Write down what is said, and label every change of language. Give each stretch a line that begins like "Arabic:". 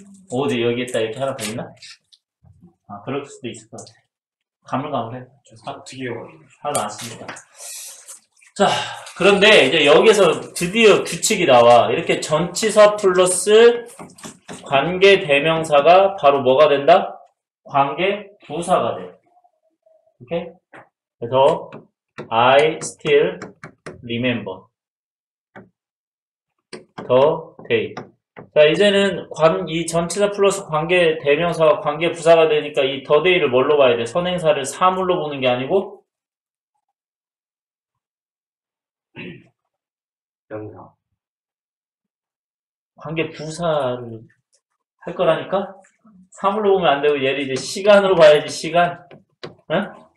Korean: 어디, 여기 있다, 이렇게 하나 더 있나? 아, 그럴 수도 있을 것 같아. 가물가물해. 어떻게 해요? 하나 나왔습니다. 자, 그런데 이제 여기서 드디어 규칙이 나와. 이렇게 전치사 플러스 관계대명사가 바로 뭐가 된다? 관계부사가 돼. 오케이? 그래서,
English: I still remember the day.
Korean: 자, 이제는 이 전치사 플러스 관계 대명사와 관계 부사가 되니까 이 the day를 뭘로 봐야 돼? 선행사를 사물로 보는 게 아니고? 명사. 관계 부사를 할 거라니까? 사물로 보면 안 되고 얘를 이제 시간으로 봐야지, 시간. 응?